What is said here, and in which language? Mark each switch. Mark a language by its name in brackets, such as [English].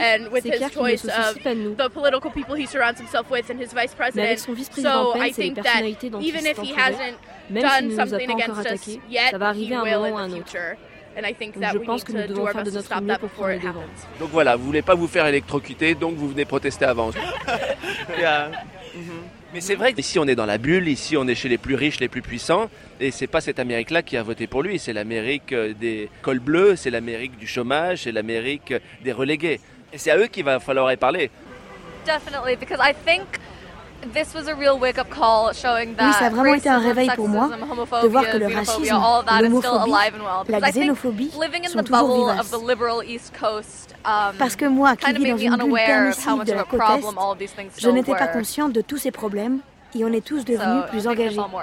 [English] and with his choice of the political people he surrounds himself with and his vice president. [French] Mais avec son vice-président Pence, [English] I think that even if he hasn't done something against us yet, he will in the future. And I think that we need to do our best to stop that before it happens. [French] Donc voilà, vous voulez pas vous faire électrocuter, donc vous venez protester avant. [English] Yeah. [French] Mais c'est vrai qu'ici on est dans la bulle, ici on est chez les plus riches, les plus puissants, et c'est pas cette Amérique-là qui a voté pour lui, c'est l'Amérique des cols bleus, c'est l'Amérique du chômage, c'est l'Amérique des relégués. Et c'est à eux qu'il va falloir y parler. [English] Definitely, because I think this was a real wake-up call showing that. [French] Oui, ça a vraiment été un réveil pour moi de voir que le racisme, l'homophobie, la xénophobie sont toujours vivaces. Parce que moi, qui vis dans une bulle permissive de la côte est, je n'étais pas consciente de tous ces problèmes et on est tous devenus plus engagés.